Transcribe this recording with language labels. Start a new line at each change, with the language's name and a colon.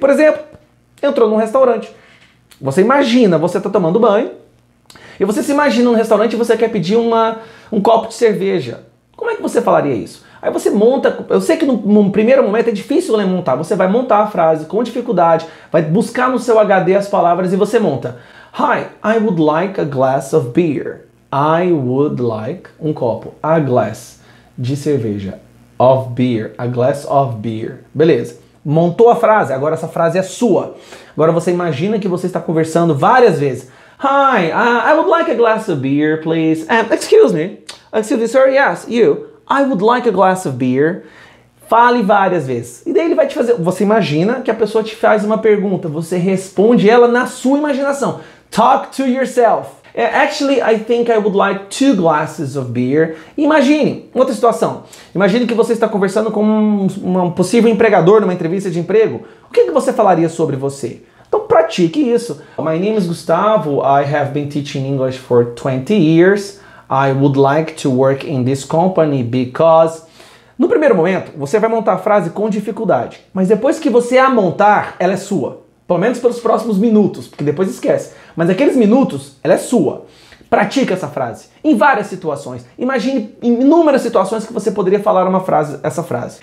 Portuguese: Por exemplo, entrou num restaurante. Você imagina, você está tomando banho, e você se imagina num restaurante e você quer pedir um copo de cerveja. Como é que você falaria isso? Aí você monta... Eu sei que no primeiro momento é difícil montar. Você vai montar a frase com dificuldade, vai buscar no seu HD as palavras e você monta.
English: Hi, I would like a glass of beer. I would like
Portuguese: um copo.
English: A glass
Portuguese: de cerveja.
English: Of beer. A glass of beer.
Portuguese: Beleza. Montou a frase. Agora essa frase é sua. Agora você imagina que você está conversando várias vezes.
English: Hi, I would like a glass of beer, please. Excuse me, sir, yes, you. I would like a glass of beer.
Portuguese: Fale várias vezes. E daí ele vai te fazer... Você imagina que a pessoa te faz uma pergunta. Você responde ela na sua imaginação.
English: Talk to yourself. Actually, I think I would like two glasses of beer.
Portuguese: Imagine, outra situação. Imagine que você está conversando com um possível empregador numa entrevista de emprego. O que você falaria sobre você? Então pratique isso.
English: My name is Gustavo. I have been teaching English for 20 years. I would like to work in this company because...
Portuguese: No primeiro momento, você vai montar a frase com dificuldade. Mas depois que você a montar, ela é sua. Pelo menos pelos próximos minutos, porque depois esquece. Mas aqueles minutos, ela é sua. Pratique essa frase. Em várias situações. Imagine inúmeras situações que você poderia falar essa frase.